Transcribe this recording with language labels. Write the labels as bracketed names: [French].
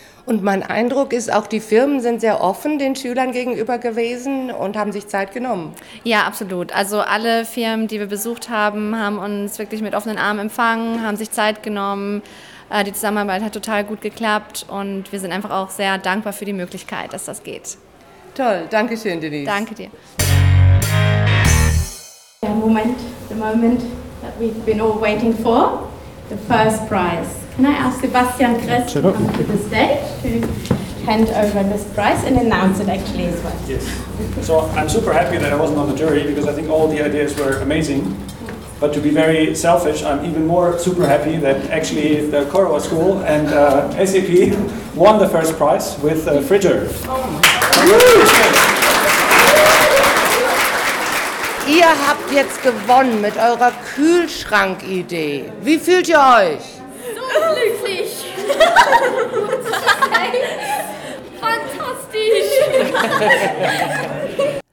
[German] Und mein Eindruck ist, auch die Firmen sind sehr offen den Schülern gegenüber gewesen und haben sich Zeit genommen. Ja, absolut. Also alle Firmen, die wir besucht haben, haben uns wirklich mit offenen Armen empfangen, haben sich Zeit genommen. Die Zusammenarbeit hat total gut geklappt und wir sind einfach auch sehr dankbar für die Möglichkeit, dass das geht. Toll. Dankeschön, Denise. Danke dir. [English] The moment that we've been all waiting for, the first prize. Can I ask Sebastian Kress to come to the stage to hand over this prize and announce it actually as well? Yes. So I'm super happy that I wasn't on the jury because I think all the ideas were amazing. But to be very selfish, I'm even more super happy that actually the Corowa School and SAP won the first prize with Fridger. [German] Oh, ihr habt jetzt gewonnen mit eurer Kühlschrank-Idee. Wie fühlt ihr euch? So glücklich. Fantastisch.